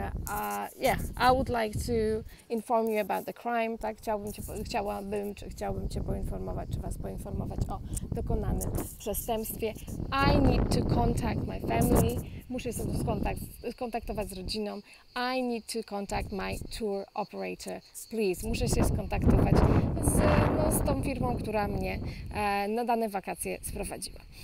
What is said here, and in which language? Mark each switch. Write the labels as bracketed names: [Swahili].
[English] I would like to inform you about the crime, tak? [Polish] Chciałabym Cię poinformować, czy Was poinformować o dokonanym przestępstwie. [English] I need to contact my family. [Polish] Muszę się skontaktować z rodziną. [English] I need to contact my tour operator, please. [Polish] Muszę się skontaktować z tą firmą, która mnie na dane wakacje sprowadziła.